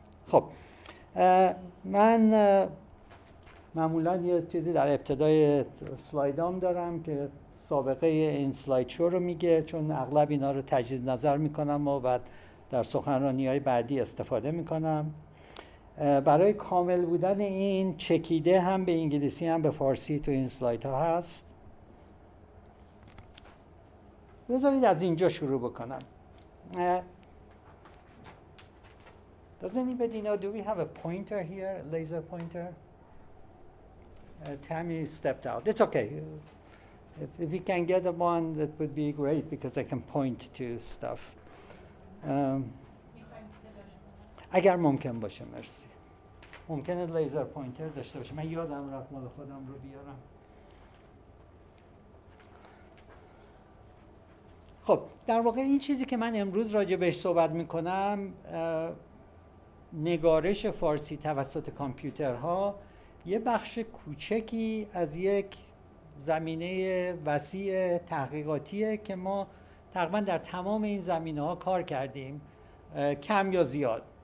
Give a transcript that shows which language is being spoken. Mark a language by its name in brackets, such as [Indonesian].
[Persian] خب من معمولا یه چیزی در ابتدای سلایدام دارم که سابقه این سلاید شو رو میگه، چون اغلب اینا رو تجدید نظر میکنم و بعد در سخنرانی‌های بعدی استفاده میکنم. برای کامل بودن این چکیده هم به انگلیسی هم به فارسی تو این سلایدها هست. بذارید از اینجا شروع بکنم. [English] Does anybody know, do we have a pointer here, a laser pointer? Tammy stepped out. It's okay. If we can get one, that would be great, because I can point to stuff. [Persian] اگر ممکن باشه، مرسی. ممکنه لیزر پوینتر داشته باشه. من یادم رفت مال خودم رو بیارم. خب، در واقع این چیزی که من امروز راجع بهش صحبت میکنم، نگارش فارسی توسط کامپیوترها، یه بخش کوچکی از یک زمینه وسیع تحقیقاتیه که ما تقریبا در تمام این زمینه‌ها کار کردیم، کم یا زیاد.